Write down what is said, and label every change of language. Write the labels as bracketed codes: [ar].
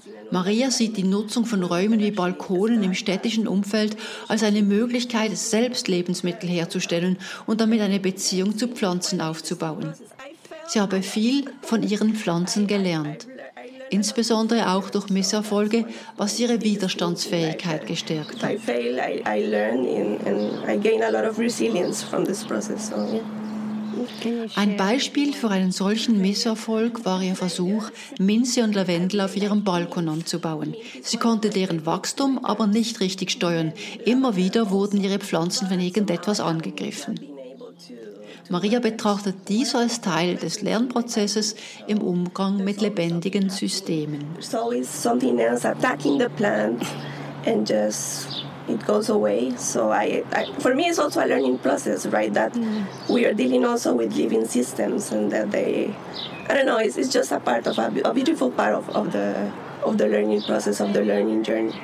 [de] Maria sieht die Nutzung von Räumen wie Balkonen im städtischen Umfeld als eine Möglichkeit, selbst Lebensmittel herzustellen und damit eine Beziehung zu Pflanzen aufzubauen. Sie habe viel von ihren Pflanzen gelernt, insbesondere auch durch Misserfolge, was ihre Widerstandsfähigkeit gestärkt hat. [en] I fail, I learn and I gain a lot of resilience from this process. So, yeah. [de] Ein Beispiel für einen solchen Misserfolg war ihr Versuch, Minze und Lavendel auf ihrem Balkon anzubauen. Sie konnte deren Wachstum aber nicht richtig steuern. Immer wieder wurden ihre Pflanzen von irgendetwas angegriffen. Maria betrachtet dies als Teil des Lernprozesses im Umgang mit lebendigen Systemen. [en] There's always something else attacking the plant, and just it goes away. So I for me, it's also a learning process, right? That we are dealing also with living systems, and that they, I don't know, it's just a part of a beautiful part of the learning process, of the learning journey.